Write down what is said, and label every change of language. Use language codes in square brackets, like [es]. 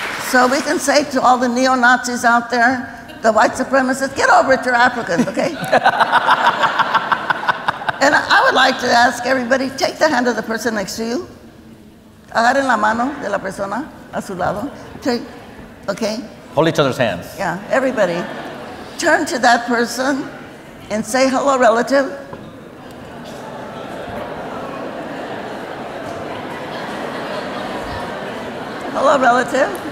[en] So we can say to all the neo-Nazis out there, the white supremacists, get over it, you're Africans, okay? And I would like to ask everybody, take the hand of the person next to you. [es] Agarren la mano de la persona a su lado. [en] Okay? Hold each other's hands. Yeah, everybody. Turn to that person and say hello, relative. Hello, relative.